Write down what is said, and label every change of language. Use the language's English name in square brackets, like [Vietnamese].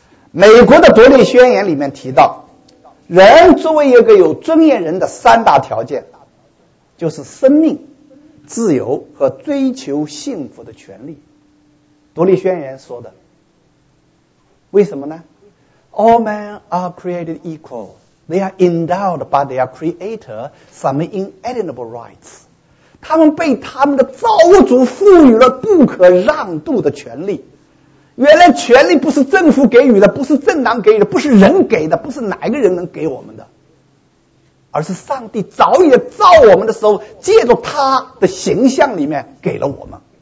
[Chinese] 美国的独立宣言里面提到，人作为一个有尊严人的三大条件，就是生命、自由和追求幸福的权利。独立宣言说的，为什么呢？ [English] All men are created equal. They are endowed by their creator some inalienable rights. [Chinese] 他们被他们的造物主赋予了不可让渡的权利。原来权利不是政府给予的，不是政党给予的，不是人给的，不是哪一个人能给我们的，而是上帝早已造我们的时候，借着他的形象里面给了我们。